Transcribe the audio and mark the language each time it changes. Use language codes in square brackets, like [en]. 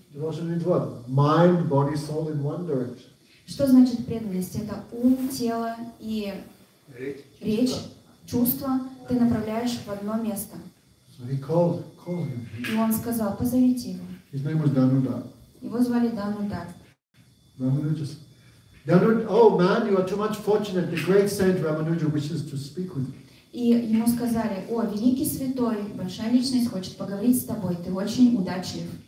[en] Devotion means what? Mind, body, soul in one direction. [ru] Что значит преданность? Это ум, тело и речь, чувства ты направляешь в одно место. [en] So he called him. [ru] И он сказал, позовите его. [en] His name was Dhanuda. [ru] Его звали Dhanuda. [en] Ramanuja, oh man, you are too much fortunate. The great saint Ramanuja wishes to speak with you. [ru] И ему сказали, о, великий святой, большая личность хочет поговорить с тобой. Ты очень удачлив.